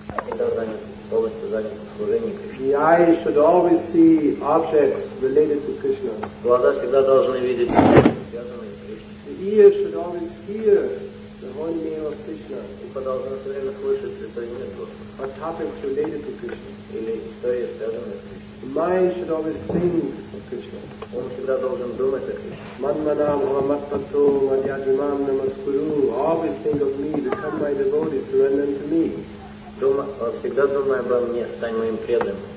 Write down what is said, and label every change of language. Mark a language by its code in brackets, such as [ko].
[en] The eye should always see objects related to Krishna. [ru] Глаза всегда должны видеть связанные с Кришной. [en] The ear should always hear the holy name of Krishna. [ru] И должно все время слышать святое имя Господа. [en] Or topics related to Krishna. [ru] Или истории, связанные с Кришной. [en] The mind should always think of Krishna. [ru] Он всегда должен думать о Кришне. [sa] Манмана, Мухаммадпату, Мадьяджимам, Намаскуру. [en] Always think of me, become my devotee, surrender to me. [ru] Всегда думай обо мне, стань моим преданным.